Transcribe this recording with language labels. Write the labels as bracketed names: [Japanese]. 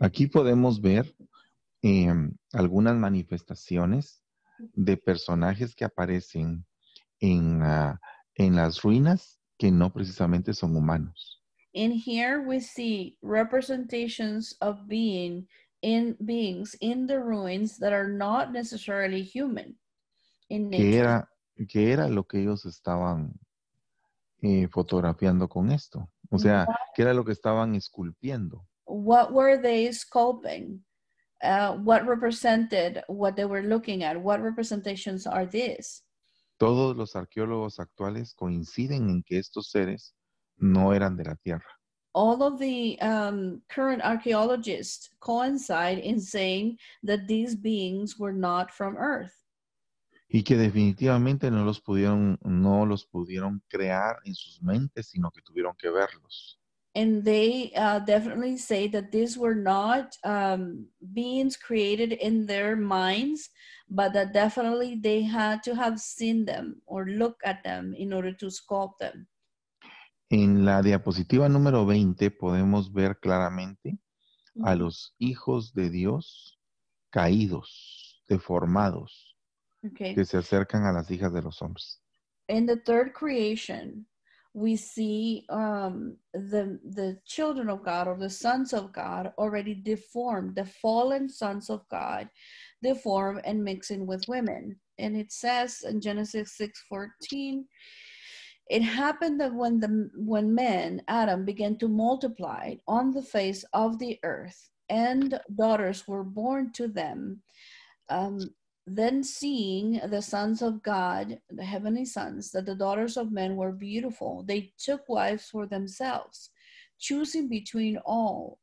[Spanish] Aquí podemos ver algunas manifestaciones de personajes que aparecen en las ruinas que no precisamente son humanos. [English] In here we see representations of beings in the ruins that are not necessarily human. [Spanish] ¿Qué era lo que ellos estaban fotografiando con esto? O sea, ¿qué era lo que estaban esculpiendo? [English] What were they sculpting? What represented what they were looking at? What representations are these? [Spanish] Todos los arqueólogos actuales coinciden en que estos seres no eran de la tierra. [English] All of the current archaeologists coincide in saying that these beings were not from Earth. [Spanish] Y que definitivamente no los pudieron crear en sus mentes, sino que tuvieron que verlos. [English] And they definitely say that these were not beings created in their minds, but that definitely they had to have seen them or look at them in order to sculpt them. [Spanish] En la diapositiva número 20 podemos ver claramente a los hijos de Dios caídos, deformados. Okay. Que se acercan a las hijas de los hombres. [English] In the third creation, we see the children of God, or the sons of God, already deformed, the fallen sons of God, deform and mixing with women. And it says in Genesis 6:14, it happened that when men, Adam, began to multiply on the face of the earth, and daughters were born to them, then seeing the sons of God, the heavenly sons, that the daughters of men were beautiful, they took wives for themselves, choosing between all.